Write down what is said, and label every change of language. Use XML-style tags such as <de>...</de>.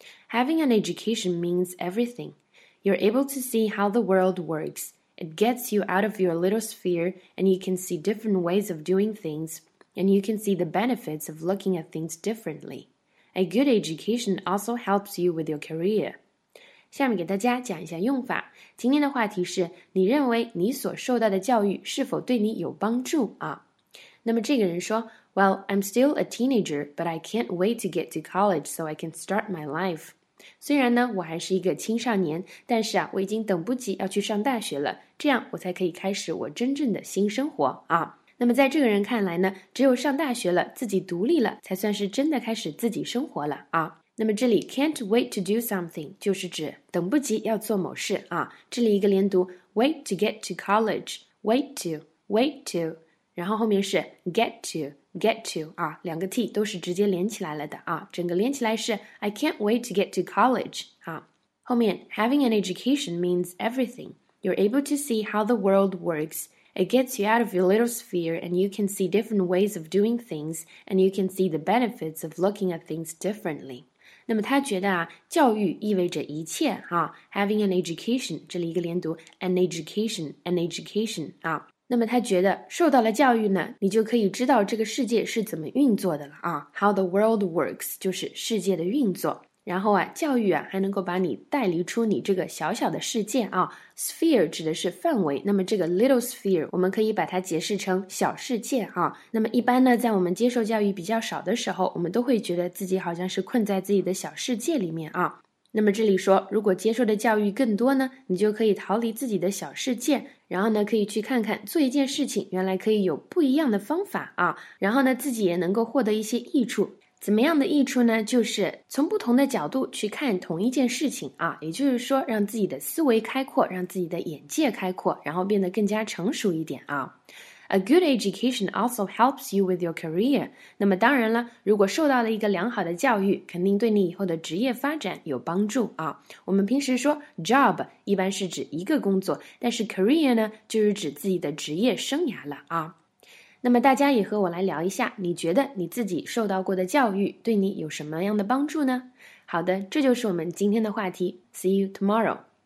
<en>Having an education means everything. You're able to see how the world works. It gets you out of your little sphere and you can see different ways of doing things and you can see the benefits of looking at things differently. A good education also helps you with your career.</en> <zh>下面给大家讲一下用法。今天的话题是，你认为你所受到的教育是否对你有帮助啊？那么这个人说</zh> <en>，Well, I'm still a teenager, but I can't wait to get to college so I can start my life.</en> <zh>虽然呢，我还是一个青少年，但是啊，我已经等不及要去上大学了，这样我才可以开始我真正的新生活啊。那么在这个人看来呢，只有上大学了，自己独立了，才算是真的开始自己生活了啊。那么这里</zh> <en>can't wait to do something</en> <zh>就是指等不及要做某事啊。这里一个连读</zh> <en>wait to get to college, wait to,</en> <zh>wait to, 然后后面是</zh> <en>get to, get to,</en> <zh>啊，两个 T 都是直接连起来了的啊。整个连起来是</zh> <en>I can't wait to get to college,</en> <zh>啊。后面</zh> <en>having an education means everything. You're able to see how the world works. It gets you out of your little sphere and you can see different ways of doing things and you can see the benefits of looking at things differently.</en> <zh>那么他觉得啊，教育意味着一切啊 ，</zh> <en>having an education，</en> <zh>这里一个连读 ，</zh> <en>an education</en> <zh>啊。那么他觉得受到了教育呢，你就可以知道这个世界是怎么运作的了啊 ，</zh> <en>how the world works</en> <zh>就是世界的运作。然后啊，教育啊还能够把你带离出你这个小小的世界啊 ，sphere 指的是范围，那么这个</zh> <en>little sphere</en> <zh>我们可以把它解释成小世界啊。那么一般呢，在我们接受教育比较少的时候，我们都会觉得自己好像是困在自己的小世界里面啊。那么这里说，如果接受的教育更多呢，你就可以逃离自己的小世界，然后呢，可以去看看做一件事情，原来可以有不一样的方法啊，然后呢，自己也能够获得一些益处。怎么样的益处呢？就是从不同的角度去看同一件事情啊，也就是说让自己的思维开阔，让自己的眼界开阔，然后变得更加成熟一点啊。</zh> <en>A good education also helps you with your career.</en> <zh>那么当然了，如果受到了一个良好的教育，肯定对你以后的职业发展有帮助啊。我们平时说 job 一般是指一个工作，但是 career 呢，就是指自己的职业生涯了啊。那么大家也和我来聊一下，你觉得你自己受到过的教育对你有什么样的帮助呢？好的，这就是我们今天的话题。</zh> <en>See you tomorrow.</en>